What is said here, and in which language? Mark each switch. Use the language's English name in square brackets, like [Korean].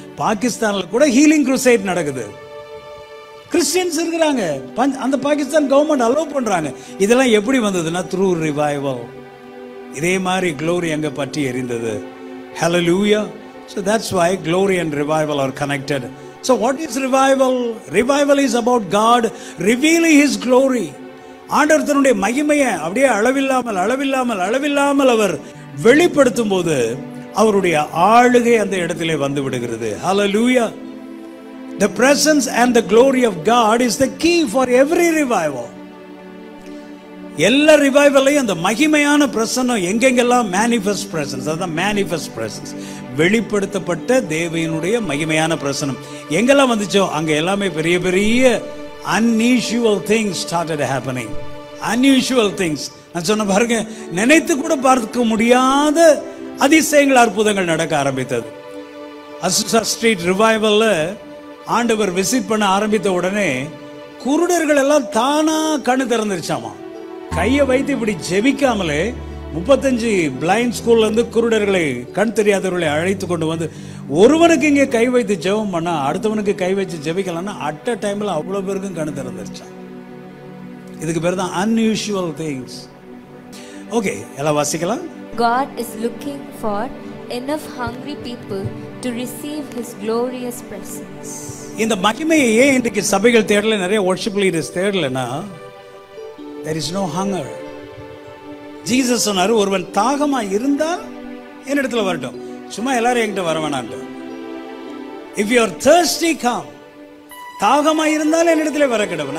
[Tamil] பாகிஸ்தானில் கூட ஹீலிங் க்ரூசைட் நடக்குது, கிறிஸ்டியன்ஸ் இருக்கிறாங்க. அந்த பாகிஸ்தான் கவர்மெண்ட் அலோவ் பண்ணுறாங்க. இதெல்லாம் எப்படி வந்ததுன்னா த்ரூ ரிவைவல். இதே மாதிரி க்ளோரி அங்கே பற்றி எரிந்தது. ஹல்லேலூயா. [English] So that's why glory and revival are connected. So what is revival? Revival is about God revealing His glory. [Tamil] ஆண்டவருடைய மகிமையை அப்படியே அளவில்லாமல் அளவில்லாமல் அளவில்லாமல் அவர் வெளிப்படுத்தும் போது அவருடைய ஆளுகை அந்த இடத்திலே வந்து விடுகிறது. [English] Hallelujah. The presence and the glory of God is the key for every revival. [Tamil] எல்லா ரிவைவலையும் அந்த மகிமையான பிரசன்னம் எங்கெங்கெல்லாம் மேனிஃபெஸ்ட் பிரசன்ஸ், அதுதான் மேனிஃபெஸ்ட் பிரசன்ஸ், வெளிப்படுத்தப்பட்ட தேவனுடைய மகிமையான பிரசன்னம் எங்கெல்லாம் வந்துச்சோ அங்கே எல்லாமே பெரிய பெரிய [English] Unusual things started happening. [Tamil] Unusual things நான் சொன்ன பாருங்க, நினைத்து கூட பார்க்க முடியாத அதிசயங்கள் அற்புதங்கள் நடக்க ஆரம்பித்தது. அசுசா ஸ்ட்ரீட் ரிவைவலில் ஆண்டவர் விசிட் பண்ண ஆரம்பித்த உடனே குருடர்கள் எல்லாம் தானாக கண்ணு திறந்துருச்சாமா, கையை வைத்து இப்படி ஜெபிக்காமலே 35 பிளைண்ட் ஸ்கூல்லேருந்து குருடர்களை கண் தெரியாதவர்களை அழைத்து கொண்டு வந்து ஒருவனுக்கு இங்கே கை வைத்து ஜெபம் பண்ணால் அடுத்தவனுக்கு கை வச்சு ஜெபிக்கலான்னா அட் அ டைமில் அவ்வளோ பேருக்கும் கண் திறந்துருச்சான். இதுக்கு பேர் தான் அன்யூஷுவல் திங்ஸ். ஓகே எல்லாம் வாசிக்கலாம். [English] God is looking for enough hungry people to receive His glorious presence. [Tamil] இந்த மகிமையை ஏன் இன்றைக்கு சபைகள் தேடலை, நிறைய worship leaders தேடலைன்னா [English] There is no hunger. [Tamil] Jesus சொன்னார் ஒருவன் தாகமாக இருந்தால் என்னிடத்தில் வரட்டும், சும்மா எல்லாரும் என்கிட்ட வரவேணான். [English] If you are thirsty, come. [Tamil] தாகமாக இருந்தாலும் என்னிடத்துல வர கிடவன்.